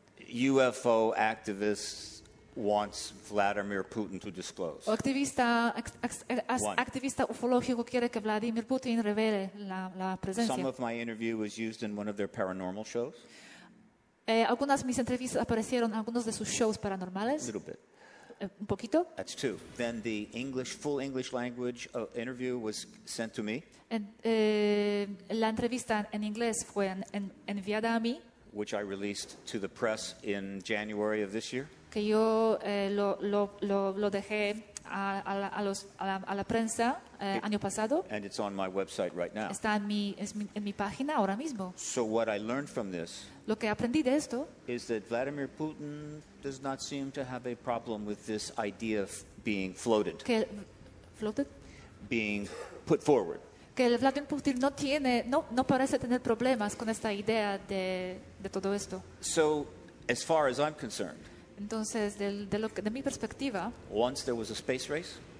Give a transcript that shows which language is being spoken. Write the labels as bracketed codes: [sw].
[en] UFO activists... wants Vladimir Putin to disclose. [es] Activista ufológico quiere que Vladimir Putin revele la presencia. [en] Some of my interview was used in one of their paranormal shows. [es] Algunas mis entrevistas aparecieron en algunos de sus shows paranormales. [en] A little bit. [es] Un poquito. [en] That's two. Then the English, full English language interview was sent to me. [es] La entrevista en inglés fue enviada a mí. [en] Which I released to the press in January of this year. [es] que yo lo dejé a la prensa año pasado. [en] And it's on my website right now. [es] Está en mi página ahora mismo. [en] So what I learned from this, [es] lo que aprendí de esto, [en] is that Vladimir Putin does not seem to have a problem with this idea of being floated. [es] Que floated? [en] Being put forward. [es] Que el Vladimir Putin no tiene, no parece tener problemas con esta idea de todo esto. [en] So, as far as I'm concerned, [es] entonces, de mi perspectiva, [en] once there was a space race,